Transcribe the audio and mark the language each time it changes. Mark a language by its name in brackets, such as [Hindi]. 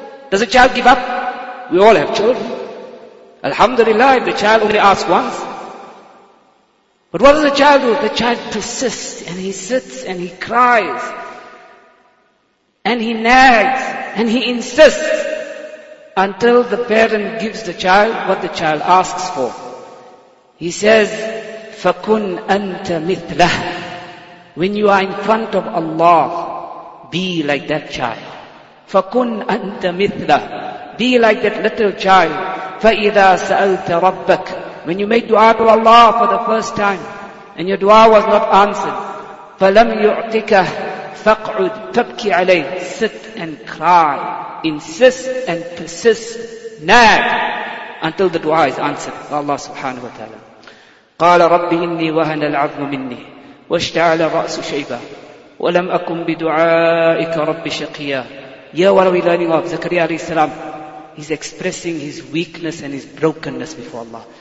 [English] Does the child give up? We all have children. Alhamdulillah, the child only asks once. But what does the child do? The child persists and he sits and he cries. And he nags and he insists until the parent gives the child what the child asks for. He says, [Arabic] فَكُنْ أَنْتَ مِثْلَهُ. [English] When you are in front of Allah, be like that child. [Arabic] فَكُنْ أَنْتَ مِثْلَهُ. [English] Be like that little child. [Arabic] فَإِذَا سَأَلْتَ رَبَّكَ. [English] When you made dua to Allah for the first time, and your dua was not answered, [Arabic] فَلَمْ يُعْتِكَ فَقْعُدْ فَبْكِ عَلَيْهِ. [English] Sit and cry. Insist and persist. Nag. Until the dua is answered. [Arabic] Allah subhanahu wa ta'ala. قال ربي إني وهن العظم مني واشتعل رأس شيبة ولم أكن بدعائك رب شقيا. Ya wa rawilani wa Zakaria alayhi salam. [English] He's expressing his weakness and his brokenness before Allah.